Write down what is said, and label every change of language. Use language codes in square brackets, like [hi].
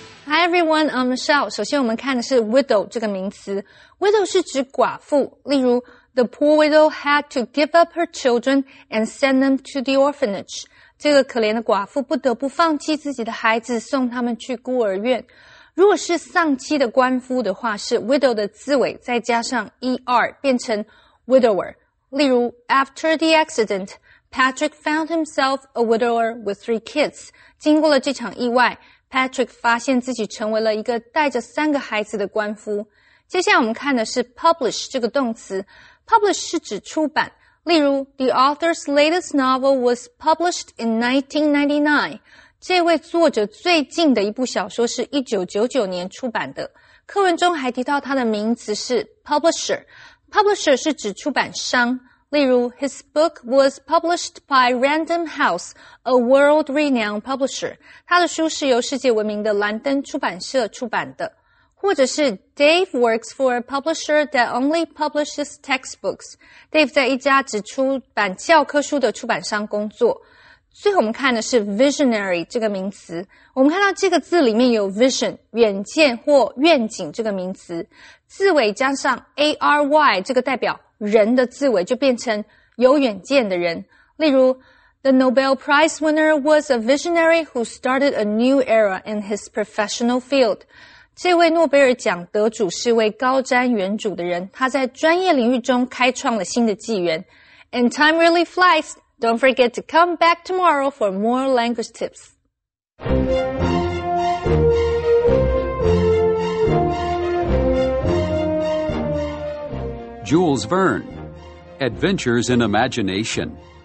[en] Hi everyone, I'm Michelle. [zh] 首先我们看的是 widow 这个名词。 [en] Widow [zh] 是指寡妇，例如 [en] The poor widow had to give up her children and send them to the orphanage. [zh] 这个可怜的寡妇不得不放弃自己的孩子，送他们去孤儿院。如果是丧妻的官夫的话，是 widow 的字尾再加上 er 变成 widower。例如 [en] ，After the accident, Patrick found himself a widower with 3 kids。 [zh] 经过了这场意外 ，Patrick 发现自己成为了一个带着三个孩子的官夫。接下来我们看的是 publish 这个动词 ，publish 是指出版。例如 [en] ，The author's latest novel was published in 1999。 [zh] 这位作者最近的一部小说是1999年出版的。课文中还提到他的名字是 publisher。publisher 是指出版商。例如 [en] ,his book was published by Random House, a world-renowned publisher。 [zh] 他的书是由世界闻名的兰登出版社出版的。或者是 [en] ,Dave works for a publisher that only publishes textbooks。 [zh] Dave 在一家只出版教科书的出版商工作。最后我们看的是 visionary 这个名词。我们看到这个字里面有 vision, 远见或愿景这个名词。字尾加上 ary, 这个代表人的字尾就变成有远见的人。例如 [en] ,The Nobel Prize winner was a visionary who started a new era in his professional field. [zh] 这位诺贝尔奖得主是位高瞻远瞩的人，他在专业领域中开创了新的纪元。 [en] And time really flies! Don't forget to come back tomorrow for more language tips. Jules Verne, Adventures in Imagination.